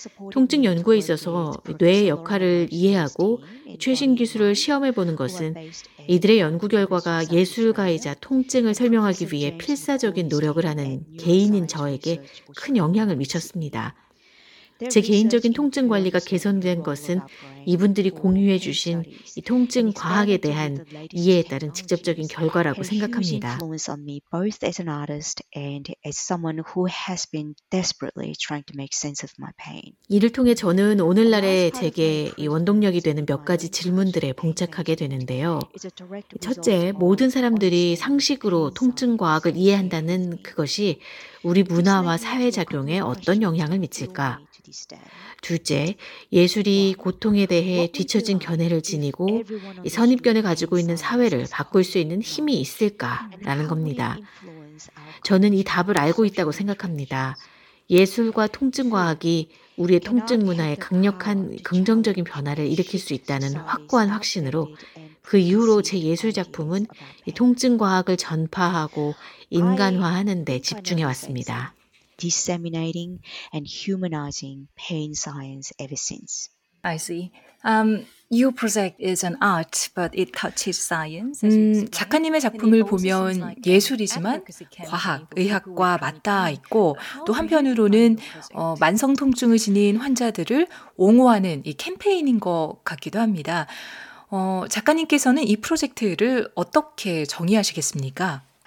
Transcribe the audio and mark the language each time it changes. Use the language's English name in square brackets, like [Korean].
[Korean] 통증 연구에 있어서 뇌의 역할을 이해하고 최신 기술을 시험해보는 것은 이들의 연구 결과가 예술가이자 통증을 설명하기 위해 필사적인 노력을 하는 개인인 저에게 큰 영향을 미쳤습니다. 제 개인적인 통증 관리가 개선된 것은 이분들이 공유해 주신 이 통증 과학에 대한 이해에 따른 직접적인 결과라고 생각합니다. [English] Both as an artist and as someone who has been desperately trying to make sense of my pain. [Korean] 이를 통해 저는 오늘날에 제게 이 원동력이 되는 몇 가지 질문들에 봉착하게 되는데요. 첫째, 모든 사람들이 상식으로 통증 과학을 이해한다는 그것이 우리 문화와 사회 작용에 어떤 영향을 미칠까? 둘째, 예술이 고통에 대해 뒤처진 견해를 지니고 선입견을 가지고 있는 사회를 바꿀 수 있는 힘이 있을까라는 겁니다. 저는 이 답을 알고 있다고 생각합니다. 예술과 통증과학이 우리의 통증 문화에 강력한 긍정적인 변화를 일으킬 수 있다는 확고한 확신으로 그 이후로 제 예술 작품은 이 통증과학을 전파하고 인간화하는 데 집중해왔습니다. [English] Disseminating and humanizing pain science ever since. I see. Your project is an art, but it touches science. [Korean] 작가님의 작품을 보면 예술이지만 과학, 의학과 맞닿아 있고 또 한편으로는 만성 통증을 지닌 환자들을 옹호하는 이 캠페인인 것 같기도 합니다. 작가님께서는 이 프로젝트를 어떻게 정의하시겠습니까?